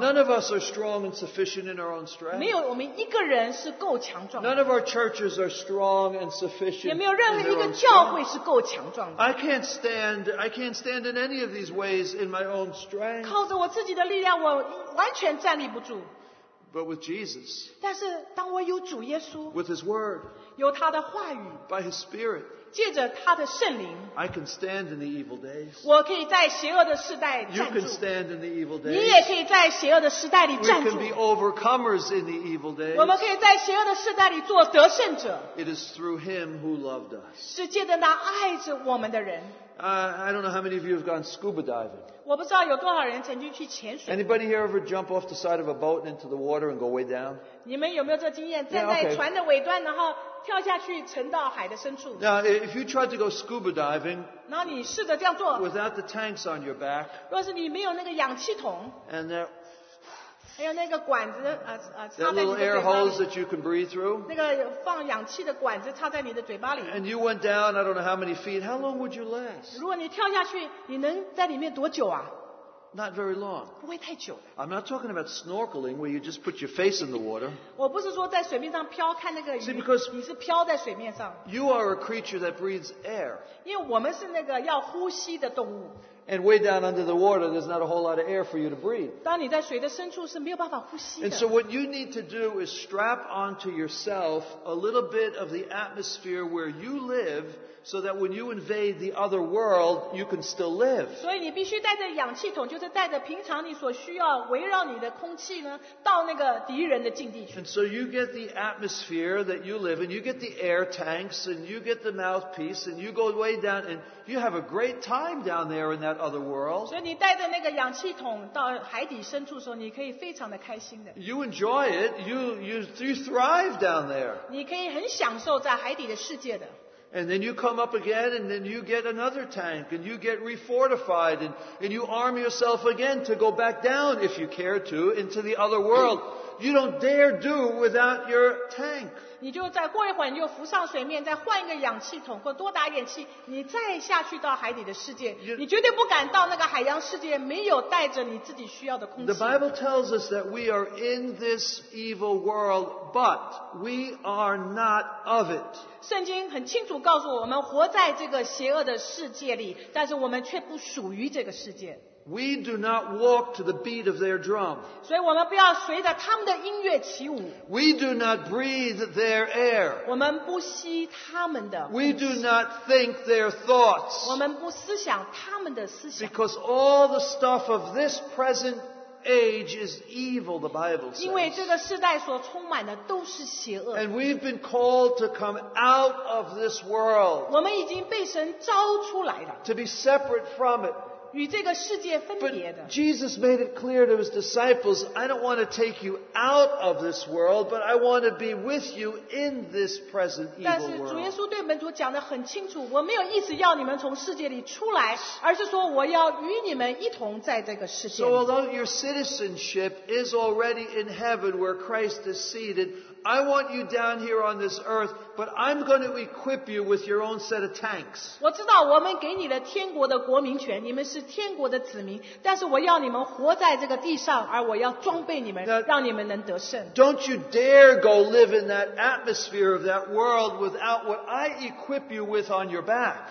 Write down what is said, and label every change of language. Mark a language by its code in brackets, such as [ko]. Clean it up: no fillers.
[en] None of us are strong and sufficient in our own strength. [zh] 没有我们一个人是够强壮。 [en] None of our churches are strong and sufficient. [zh] 也没有任何一个教会是够强壮的。 [en] I can't stand in any of these ways in my own strength. [zh] 靠着我自己的力量，我完全站立不住。 [en] But with Jesus. [zh] 但是当我有主耶稣。 [en] With His Word. [zh] 有他的话语 [en] By his spirit, [zh] 借着他的圣灵 [en] I can stand in the evil days. [zh] 我可以在邪恶的时代站住 [en] You can stand in the evil days. [zh] 你也可以在邪恶的时代里站住 [en] We can be overcomers in the evil days. [zh] 我们可以在邪恶的时代里做得胜者 [en] It is through him who loved us. [zh] 是借着那爱着我们的人 [en] I don't know how many of you have gone scuba diving. [zh] 我不知道有多少人曾经去潜水 [en] Anybody here ever jump off the side of a boat and into the water and go way down? [zh] 你们有没有这经验站在船的尾端然后跳下去沉到海的深处 [en] Now, if you tried to go scuba diving [zh] 那你试着这样做 [en] without the tanks on your back [zh] 若是你没有那个氧气桶 [en] and that, [zh] 还有那个管子、 [en] that little air hose that you can breathe through [zh] 那个放氧气的管子插在你的嘴巴里 [en] and you went down, I don't know how many feet how long would you last? [zh] 如果你跳下去你能在里面多久啊 [en] Not very long. [zh] 不会太久。 [en] I'm not talking about snorkeling where you just put your face in the water. [zh] 我不是说在水面上飘看那个鱼。 [en] See, because [zh] 你是飘在水面上。 [en] You are a creature that breathes air. [zh] 因为我们是那个要呼吸的动物。 [en] And way down under the water, there's not a whole lot of air for you to breathe. [zh] 当你在水的深处是没有办法呼吸的。 [en] And so what you need to do is strap onto yourself a little bit of the atmosphere where you live so that when you invade the other world, you can still live. [zh] 所以你必须带着氧气筒，就是带着平常你所需要围绕你的空气呢，到那个敌人的境地去。 [en] And so you get the atmosphere that you live in, you get the air tanks, and you get the mouthpiece, and you go way down, and you have a great time down there in that other world. [zh] 所以你带着那个氧气筒到海底深处的时候，你可以非常的开心的。 [en] You enjoy it, you thrive down there. [zh] 你可以很享受在海底的世界的。 [en] And then you come up again, and then you get another tank, and you get refortified, and you arm yourself again to go back down, if you care to, into the other world. You don't dare do without your tank. [zh] 你就再过一会儿，你就浮上水面，再换一个氧气筒，或多打点气，你再下去到海底的世界。你绝对不敢到那个海洋世界，没有带着你自己需要的空气。 [en] The Bible tells us that we are in this evil world, but we are not of it. [zh] 圣经很清楚告诉我们，活在这个邪恶的世界里，但是我们却不属于这个世界。 [en] We do not walk to the beat of their drum. [zh] 所以我们不要随着他们的音乐起舞。 [en] We do not breathe their air. [zh] 我们不吸他们的。 [en] We do not think their thoughts. [zh] 我们不思想他们的思想。 [en] Because all the stuff of this present age is evil, the Bible says. [zh] 因为这个世代所充满的都是邪恶。 [en] And we've been called to come out of this world. [zh] 我们已经被神召出来了。 [en] To be separate from it. [zh] 与这个世界分别的。 [en] But Jesus made it clear to his disciples, I don't want to take you out of this world, but I want to be with you in this present evil world. [zh] 但是主耶稣对门徒讲得很清楚，我没有意思要你们从世界里出来，而是说我要与你们一同在这个世界。 [en] So although your citizenship is already in heaven where Christ is seated, I want you down here on this earth but I'm going to equip you with your own set of tanks. [zh] 我知道我们给你的天国的国民权，你们是天国的子民，但是我要你们活在这个地上，而我要装备你们，让你们能得胜。 [en] Don't you dare go live in that atmosphere of that world without what I equip you with on your back.